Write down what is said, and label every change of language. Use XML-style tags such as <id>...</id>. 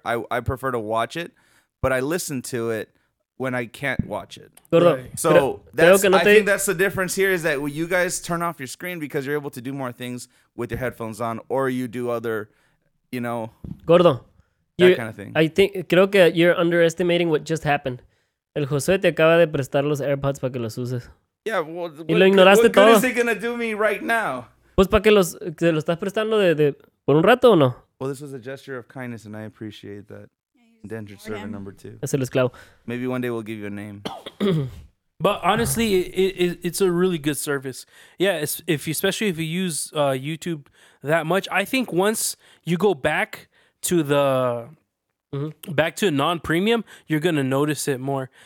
<en>I prefer to watch it, but I listen to it when I can't watch it. Gordo. So I think that's the difference here, is that when you guys turn off your screen because you're able to do more things with your headphones on, or you do other, you know, Gordo, that you're, kind of thing. I think</en> <es>creo que</es> <en>you're underestimating what just happened.</en> <es>El Josué te acaba de prestar los AirPods para que los uses.</es> <en>Yeah, well, what good is he gonna do me right now?</en> <es>Pues para que los se lo estás prestando de por un rato o no?</es> <en>Well, this was a gesture of kindness, and I appreciate that. Indentured servant number two.</en> <es>Es el esclavo.</es> <en>Maybe one day we'll give you a name. But honestly, it's a really good service. Yeah, especially if you use YouTube that much. I think once you go back to the non-premium, you're gonna notice it more.</en>